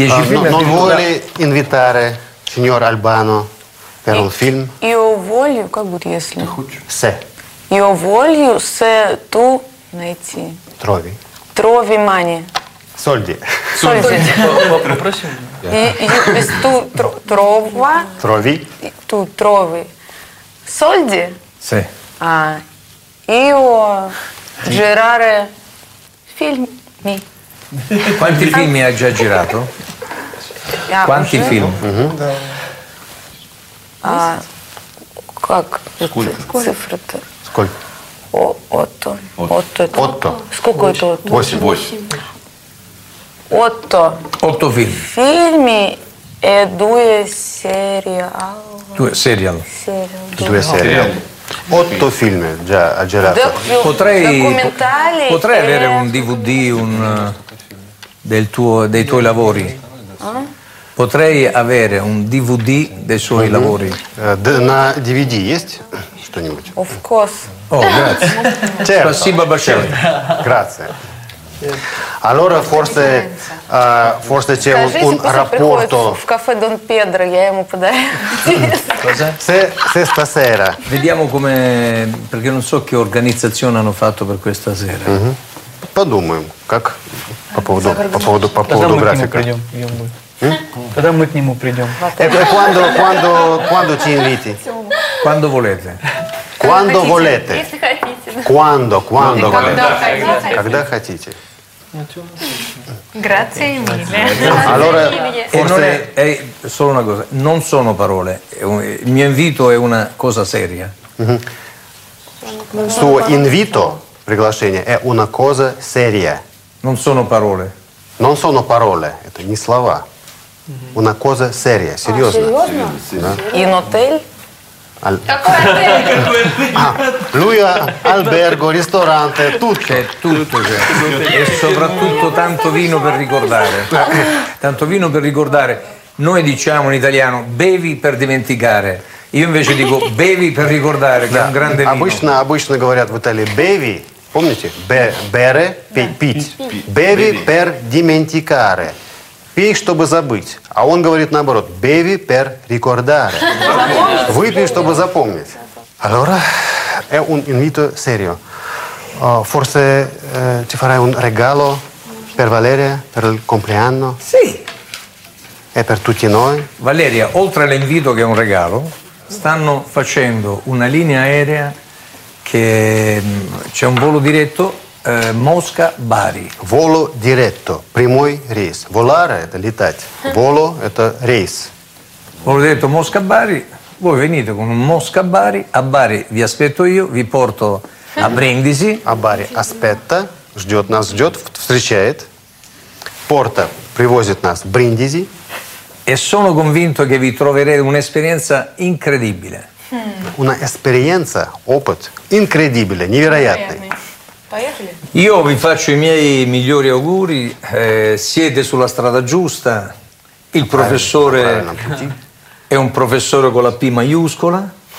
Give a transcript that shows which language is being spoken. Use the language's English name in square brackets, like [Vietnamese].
[Russian] Но вы [Italian] инвитаре, [Russian] сеньор Альбано, [Italian] per un film. Io voglio, come [Russian] будет если? [Italian] Se. Io voglio se tu [Russian] найти. [Italian] Trovi. Trovi [English] money. [Italian] Soldi. Soldi. [Russian] Попросим. Если ты [Italian] трова. Трови. [Russian] Ты [Italian] трови. Soldi. Se. А io girare filmi. Quanti film hai già girato? Quanti film? [Russian] А как? Цифры-то? Сколько? [Italian] Отто. Отто. Отто. [Russian] Сколько это Отто? Восемь. [Italian] Отто. Отто [Russian] фильм. Фильмы и две сериалы. Две сериалы. Две сериалы. [Italian] Otto film già ha girato. Potrei avere un DVD dei tuoi lavori. Potrei avere un DVD dei suoi lavori. [Russian] На DVD есть что-нибудь? [English] Of course. [Italian] Oh, grazie. [Russian] Спасибо большое. [Italian] Grazie. Allora forse forse c'è un rapporto. [Russian] В кафе Дон Педро я ему подаю. [Italian] Se stasera. Vediamo come, perché non so che organizzazione hanno fatto per questa sera. [Russian] Подумаем, как по поводу графика. Когда мы к нему придем? [Italian] Quando ci inviti? Quando volete. Quando volete. [Russian] Если хотите. [Italian] Quando volete. [Russian] Когда хотите. [Italian] Grazie mille. Allora, forse è solo una cosa, non sono parole, il mio invito è una cosa seria. Suo invito, [Russian] приглашение, [Italian] è una cosa seria. Non sono parole. Non sono parole, [Russian] это не слова. [Italian] Una cosa seria, [Russian] серьезно. [Italian] In hotel? Lui ha albergo, ristorante, tutto. C'è tutto, c'è. E soprattutto tanto vino per ricordare. Tanto vino per ricordare. Noi diciamo in italiano bevi per dimenticare. Io invece dico bevi per ricordare, che è un grande vino. [Russian] Обычно говорят в Италии [Italian] bevi, [Russian] помните? [Italian] Bere, [Russian] пить. [Italian] Bevi per dimenticare. [Russian] Пей, чтобы забыть. А он говорит наоборот. [Italian] Беви пер рикордаре. [Russian] Выпей, чтобы запомнить. [Italian] Allora, è un invito serio. Forse ti farai un regalo per Valeria, per il compleanno? Sì. E per tutti noi? Valeria, oltre all'invito che è un regalo, stanno facendo una linea aerea che c'è un volo diretto. Mosca Bari. Volo diretto, [Russian] primoi reis. [Italian] Volare è l'Italia. Volo è reis. Volo diretto Mosca Bari. Voi venite con un Mosca Bari. A Bari vi aspetto io, vi porto a Brindisi. A Bari aspetta, [Russian] ждет нас, ждет, встречает. [Italian] Porta, [Russian] привозит нас Brindisi. [Italian] E sono convinto che vi troverete un'esperienza incredibile. Una esperienza, [Russian] опыт [Italian] incredibile, [Russian] невероятный. [Italian] Io vi faccio i miei migliori auguri, siete sulla strada giusta, il professore è un professore con la P maiuscola.